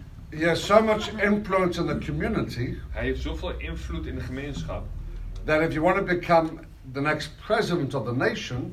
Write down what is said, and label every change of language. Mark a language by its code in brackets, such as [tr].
[en] He has so much influence in the community. [nl] Hij heeft zoveel invloed in de gemeenschap. [en] That if you want to become the next president of the nation.